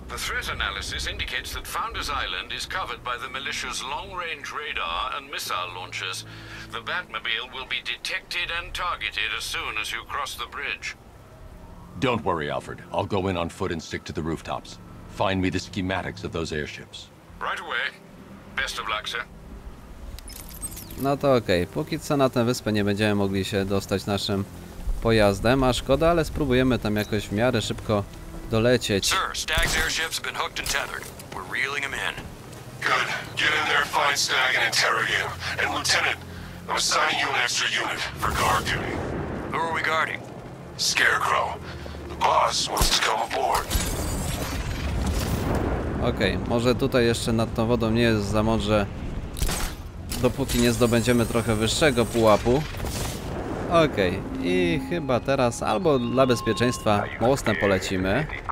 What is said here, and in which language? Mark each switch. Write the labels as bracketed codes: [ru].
[en] The threat analysis indicates that Founders Island is covered by the militia's long-range radar and missile launchers. The Batmobile will be detected and targeted as soon as you cross the bridge. Don't worry, Alfred. I'll go in on foot and stick to the rooftops. Find me the schematics of those airships. Right away. Best of luck, sir. [pl] No to okej. Póki co na tę wyspę nie będziemy mogli się dostać naszym pojazdem. A szkoda, ale spróbujemy tam jakoś w miarę szybko dolecieć. [en] Sir, Stagg's airships have been hooked and tethered. We're reeling them in. Good. Get in there, find Stagg and interrogate him. And Lieutenant, I'm assigning you an extra unit for guard duty. Who are we guarding? Scarecrow. The boss wants to come aboard. [pl] Okej, okay, może tutaj jeszcze nad tą wodą nie jest za mądrze, dopóki nie zdobędziemy trochę wyższego pułapu. Okej, okay, i chyba teraz albo dla bezpieczeństwa mostem polecimy.